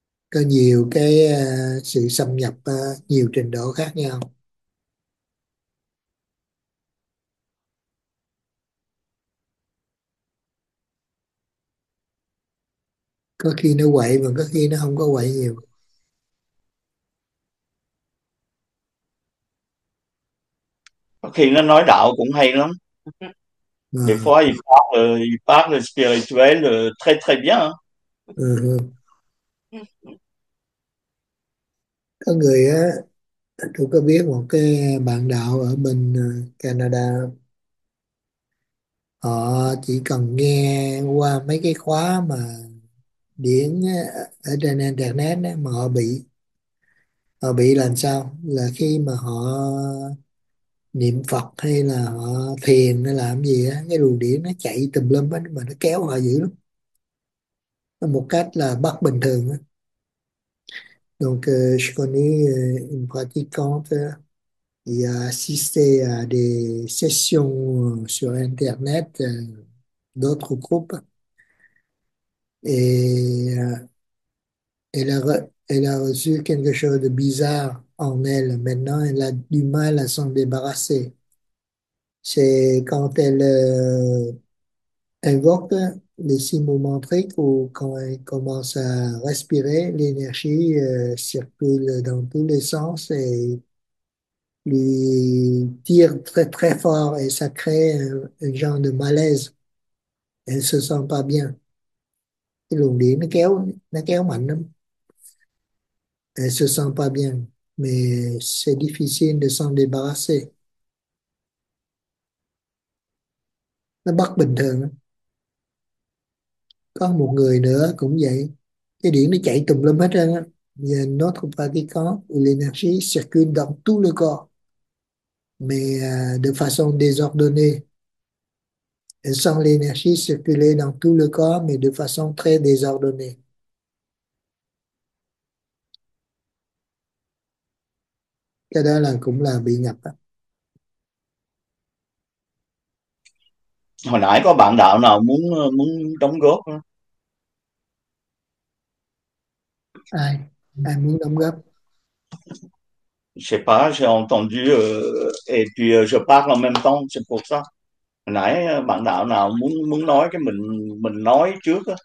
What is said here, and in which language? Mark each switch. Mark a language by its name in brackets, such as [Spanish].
[Vietnamese] Có nhiều cái sự xâm nhập nhiều trình độ khác nhau. Có khi nó quậy mà có khi nó không có quậy nhiều. Khi nó nói đạo cũng hay lắm. [French] Des À. fois, il parle spirituel très bien. [Vietnamese] Có người á, tôi có biết một cái bạn đạo ở bên Canada, họ chỉ cần nghe qua mấy cái khóa mà điển ở trên internet á, mà họ bị làm sao, là khi mà họ niệm Phật hay là họ thiền hay làm gì á, cái luồng điển nó chạy tùm lum á, mà nó kéo họ dữ lắm, một cách là bất bình thường á. [French] Donc, je connais une pratiquante qui a assisté à des sessions sur Internet d'autres groupes. Et elle a reçu quelque chose de bizarre en elle. Maintenant, elle a du mal à s'en débarrasser. C'est quand elle invoque les six mouvements triques, ou quand elle commence à respirer, l'énergie circule dans tous les sens et lui tire très très fort, et ça crée un genre de malaise. Elle se sent pas bien. [Vietnamese] Cái luồng điện nó kéo mạnh lắm. [French] Elle se sent pas bien, mais c'est difficile de s'en débarrasser. [Vietnamese] Nó bất bình thường. Có một người nữa cũng vậy, cái điện nó chạy tùm lum hết trơn á, giờ nó không phải cái có [French] l'énergie circule dans tout le corps, mais de façon désordonnée. Elle sent l'énergie circuler dans tout le corps, mais de façon très désordonnée. [Vietnamese] Cái đó là cũng là bị nhập á. Hồi nãy có bạn đạo nào muốn muốn đóng góp không? Ai ai muốn đóng góp? [French] Sais pas, j'ai entendu et puis je parle en même temps, c'est pour ça. [Vietnamese] Hồi nãy bạn đạo nào muốn muốn nói cái mình nói trước